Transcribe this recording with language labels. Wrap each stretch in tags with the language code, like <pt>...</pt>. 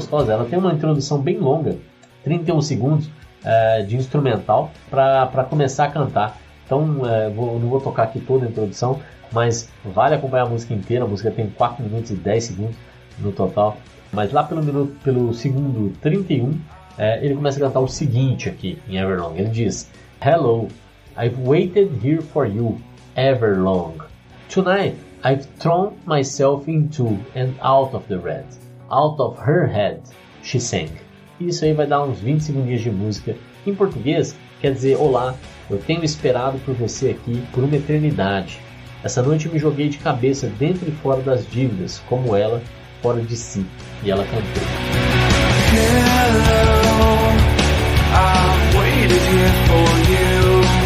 <pt>Ela tem uma introdução bem longa, 31 segundos de instrumental para começar a cantar. Então, não vou tocar aqui toda a introdução, mas vale acompanhar a música inteira. A música tem 4 minutos e 10 segundos no total. Mas lá pelo segundo 31, ele começa a cantar o seguinte aqui em Everlong. Ele diz:</pt> <en>"Hello, I've waited here for you, Everlong. Tonight, I've thrown myself into and out of the red. Out of her head, she sang."</en> <pt>Isso aí vai dar uns 20 segundinhos de música. Em português, quer dizer: "Olá, eu tenho esperado por você aqui por uma eternidade. Essa noite me joguei de cabeça dentro e fora das dívidas, como ela, fora de si." E ela cantou:</pt> <en>"Hello, I've waited here for you.</en>